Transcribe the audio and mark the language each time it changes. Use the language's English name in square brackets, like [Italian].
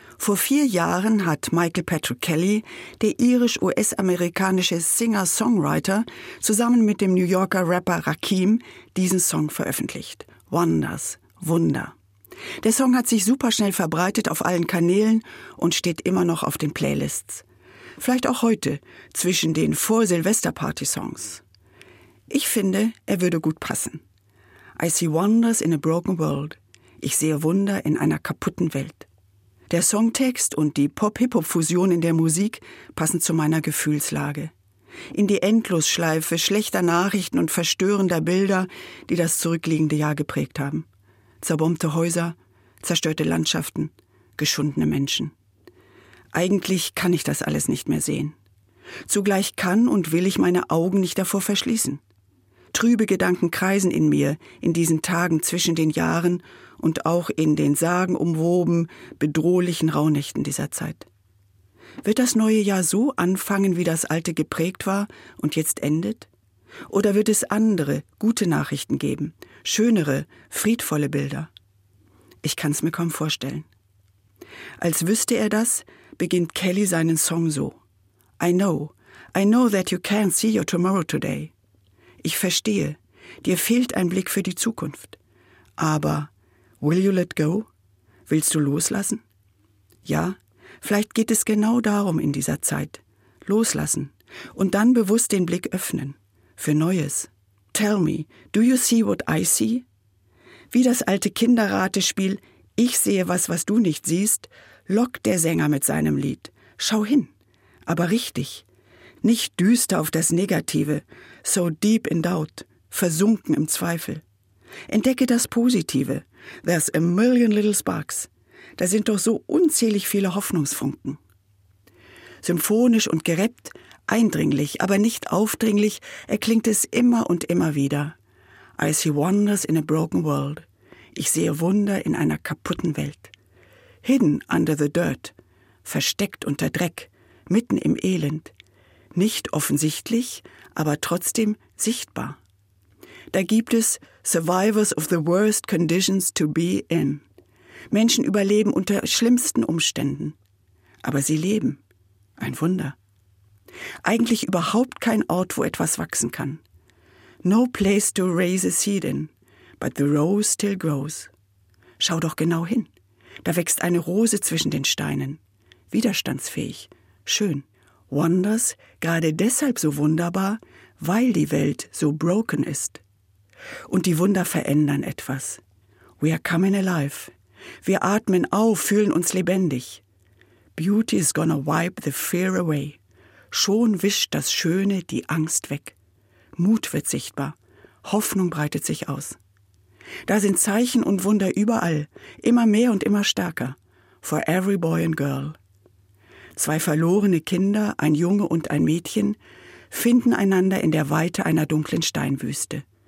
[German] Vor 4 Jahren hat Michael Patrick Kelly, der irisch-US-amerikanische Singer-Songwriter, zusammen mit dem New Yorker Rapper Rakim diesen Song veröffentlicht. Wonders, Wunder. Der Song hat sich superschnell verbreitet auf allen Kanälen und steht immer noch auf den Playlists. Vielleicht auch heute, zwischen den Vor-Silvester-Party-Songs. Ich finde, er würde gut passen. [English] I see wonders in a broken world. [German] Ich sehe Wunder in einer kaputten Welt. Der Songtext und die Pop-Hip-Hop-Fusion in der Musik passen zu meiner Gefühlslage. In die Endlosschleife schlechter Nachrichten und verstörender Bilder, die das zurückliegende Jahr geprägt haben. Zerbombte Häuser, zerstörte Landschaften, geschundene Menschen. Eigentlich kann ich das alles nicht mehr sehen. Zugleich kann und will ich meine Augen nicht davor verschließen. Trübe Gedanken kreisen in mir in diesen Tagen zwischen den Jahren und auch in den sagenumwoben, bedrohlichen Rauhnächten dieser Zeit. Wird das neue Jahr so anfangen, wie das alte geprägt war und jetzt endet? Oder wird es andere, gute Nachrichten geben, schönere, friedvolle Bilder? Ich kann es mir kaum vorstellen. Als wüsste er das, beginnt Kelly seinen Song so. [English] I know that you can't see your tomorrow today. [German] Ich verstehe, dir fehlt ein Blick für die Zukunft. Aber [English] will you let go? [German] Willst du loslassen? Ja, vielleicht geht es genau darum in dieser Zeit. Loslassen und dann bewusst den Blick öffnen. Für Neues. [English] Tell me, do you see what I see? [German] Wie das alte Kinderratespiel »Ich sehe was, was du nicht siehst«, lockt der Sänger mit seinem Lied. Schau hin, aber richtig. Nicht düster auf das Negative, [English] so deep in doubt, [German] versunken im Zweifel. Entdecke das Positive, [English] there's a million little sparks. [German] Da sind doch so unzählig viele Hoffnungsfunken. Symphonisch und gerappt, eindringlich, aber nicht aufdringlich, erklingt es immer und immer wieder. I see wonders in a broken world. Ich sehe Wunder in einer kaputten Welt. [English] Hidden under the dirt, [German] versteckt unter Dreck, mitten im Elend. Nicht offensichtlich, aber trotzdem sichtbar. Da gibt es [English] survivors of the worst conditions to be in. [German] Menschen überleben unter schlimmsten Umständen. Aber sie leben. Ein Wunder. Eigentlich überhaupt kein Ort, wo etwas wachsen kann. [English] No place to raise a seed in, but the rose still grows. [German] Schau doch genau hin. Da wächst eine Rose zwischen den Steinen. Widerstandsfähig. Schön. Wonders, gerade deshalb so wunderbar, weil die Welt so broken ist. Und die Wunder verändern etwas. [English] We are coming alive. [German] Wir atmen auf, fühlen uns lebendig. [English] Beauty is gonna wipe the fear away. [German] Schon wischt das Schöne die Angst weg. Mut wird sichtbar. Hoffnung breitet sich aus. Da sind Zeichen und Wunder überall, immer mehr und immer stärker. [English] For every boy and girl. [German] 2 verlorene Kinder, ein Junge und ein Mädchen, finden einander in der Weite einer dunklen Steinwüste.